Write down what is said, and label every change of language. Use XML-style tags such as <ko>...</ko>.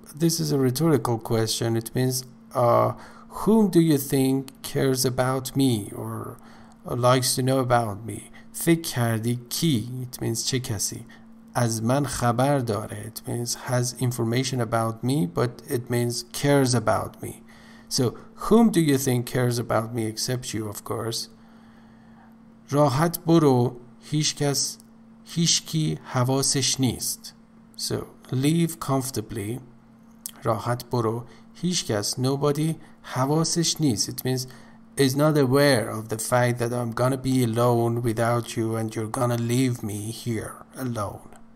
<en>This is a rhetorical question. It means, whom do you think cares about me or likes to know about me?</en> <fa>فکر کردی کی?</fa> <en>It means,</en> <fa>چه کسی? از من خبر داره.</fa> <en>It means, has information about me, but it means, cares about me. So, whom do you think cares about me except you, of course?</en> <fa>راحت برو, هیچ کس, هیچ کی حواسش نیست.</fa> <en>So, leave comfortably.</en> <fa>راحت برو هیچ کس</fa> <en>nobody</en> <fa>حواسش نیست.</fa> <en>It means is not aware of the fact that I'm gonna be alone without you and you're gonna leave me here alone.</en>